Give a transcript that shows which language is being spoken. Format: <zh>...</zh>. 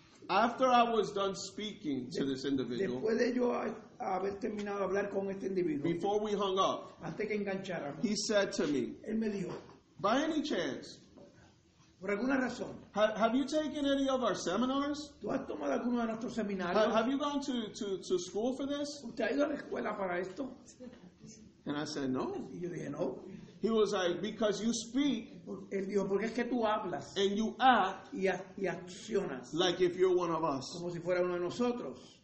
<en>After I was done speaking to this individual,</en> <es>después de yo haber terminado de hablar con este individuo,</es> <en>before we hung up,</en> <es>antes que engancháramos,</es> <en>he said to me,</en> <es>él me dijo,</es> <en>by any chance,</en> <es>Por alguna razón.</es> <en>Have you taken any of our seminars?</en> <es>¿Tú has tomado alguno de nuestros seminarios?</es> <en>Have you gone to school for this?</en> <es>¿Usted ha ido a la escuela para esto?</es> <en>And I said, no.</en> <es>Y yo dije, no.</es> <en>He was like, because you speak.</en> <es>Él dijo, porque es que tú hablas.</es> <en>And you act.</en> <es>Y accionas.</es> <en>Like if you're one of us.</en> <es>Como si fuera uno de nosotros.</es>